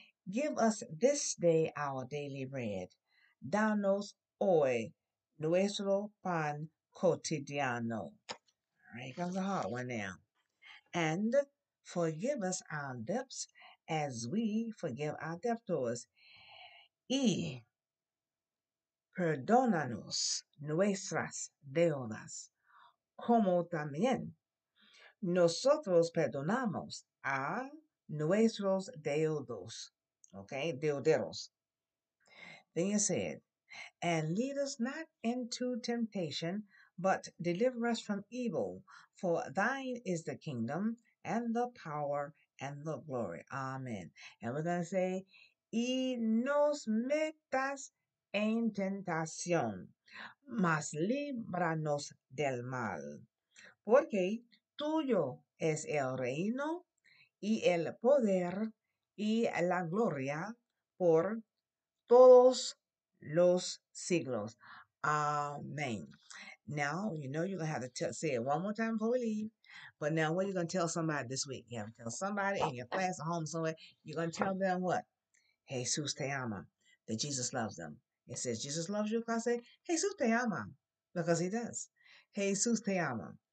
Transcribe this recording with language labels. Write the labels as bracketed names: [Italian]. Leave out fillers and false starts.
[English] Give us this day our daily bread. [Spanish] Danos hoy nuestro pan cotidiano. [English] All right, comes a hard one now. And forgive us our debts as we forgive our debtors. [Spanish] Y perdónanos nuestras deudas, como también nosotros perdonamos a nuestros deudos. Okay, deuderos. [English] Then you said, and lead us not into temptation, but deliver us from evil. For thine is the kingdom and the power and the glory. Amen. And we're going to say, [Spanish] y nos metas en tentación, mas líbranos del mal. Porque tuyo es el reino y el poder y la gloria por todos los siglos. [English] Amen. Now, you know you're going to have to say it one more time before we leave. But now, what are you going to tell somebody this week? You have to tell somebody in your class or home somewhere. You're going to tell them what? [Spanish] Jesus te ama. [English] That Jesus loves them. It says Jesus loves you. Class A. Jesus te ama. Because he does. Jesus te ama.